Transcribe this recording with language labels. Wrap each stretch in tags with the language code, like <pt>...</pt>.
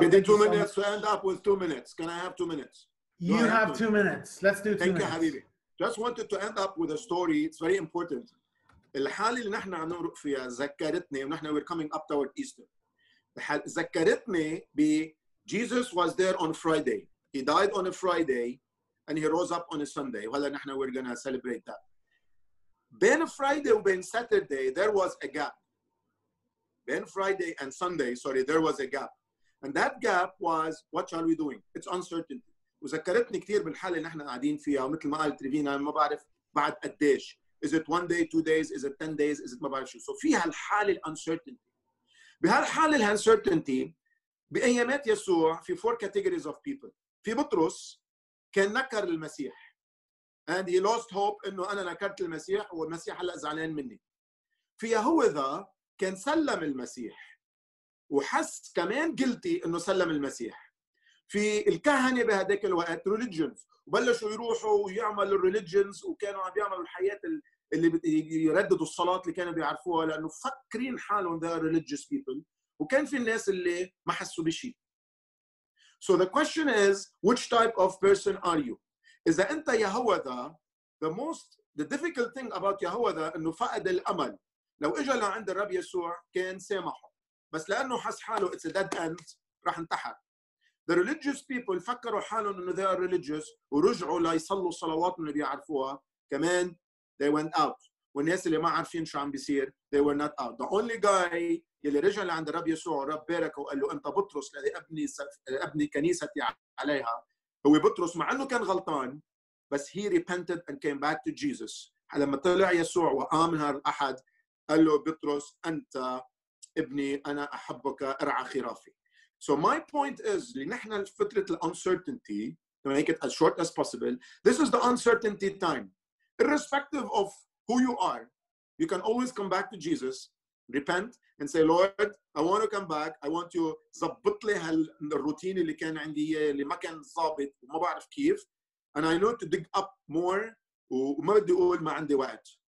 <en>We did 2 minutes to end up with 2 minutes. Can I have 2 minutes? You have two minutes. Let's do two Thank minutes. Thank you, Habibi. Just wanted to end up with a story. It's very important.</en> <ar>الحالة اللي نحن عم نمرق فيها ذكرتني, ونحن</ar> <en>we're coming up toward Easter.</en> <ar>ذكرتني بي</ar> <en>Jesus was there on Friday. He died on a Friday and he rose up on a Sunday.</en> <ar>وهلا نحن</ar> <en>we're going to celebrate that. بين Friday وبين Saturday, there was a gap. Then Friday and Sunday, sorry, there was a gap. And that gap was, what shall we doing? It's uncertainty.</en> <ar>وذكرتني كتير بالحالة اللي نحن قاعدين فيها, ومثل ما قالت ريفينا, ما بعرف بعد قديش.</ar> <en>Is it 1 day, 2 days? Is it 10 days? Is it</en> <ar>ما بعرف شو.</ar> <en>So</en> <ar>فيها الحالة</ar> <en>uncertainty.</en> <ar>بهالحالة uncertainty, بأيامات يسوع, في 4</ar> <en>categories of people.</en> <ar>في بطرس, كان نكر المسيح.</ar> <en>And he lost hope,</en> <ar>إنه أنا نكرت المسيح, والمسيح هلأ زعلان مني. في يهوذا, كان سلم المسيح وحس كمان قلتي انه سلم المسيح. في الكهنه بهداك الوقت ريليجنز, وبلشوا يروحوا ويعملوا الريليجنز, وكانوا عم بيعملوا الحياه اللي يرددوا الصلاه اللي كانوا بيعرفوها, لانه فكرين حالهم ذا ريليجيوس بيبل. وكان في الناس اللي ما حسوا بشيء.</ar> <en>So the question is, which type of person are you?</en> <ar>اذا انت يهوذا,</ar> <en>the difficult thing about</en> <ar>يهوذا انه فقد الامل. لو اجى لعند الرب يسوع كان سامحه, بس لانه حس حاله</ar> <en>it's a dead end</en> <ar>راح انتحر.</ar> <en>The religious people</en> <ar>فكروا حالهم انه</ar> <en>they are religious</en> <ar>ورجعوا ليصلوا الصلوات اللي بيعرفوها, كمان</ar> <en>they went out.</en> <ar>والناس اللي ما عارفين شو عم بيصير</ar> <en>they were not out. The only guy</en> <ar>يلي رجع لعند الرب يسوع, الرب باركه وقال له انت بطرس الذي ابني كنيستي عليها, هو بطرس مع انه كان غلطان, بس</ar> <en>he repented and came back to Jesus.</en> <ar>لما طلع يسوع وآمن هالأحد قال له بطرس أنت ابني أنا أحبك أرعى خرافي.</ar> <en>So my point is</en> <ar>لنحن فترة الـ</ar> <en>uncertainty, to make it as short as possible, this is the uncertainty time. Irrespective of who you are, you can always come back to Jesus, repent and say, Lord, I want to come back. I want you</en> <ar>زبط لي هالروتين اللي كان عندي اللي ما كان ظابط وما بعرف كيف.</ar> <en>And I know to dig up more</en> <ar>وما بدي أقول ما عندي وقت.</ar>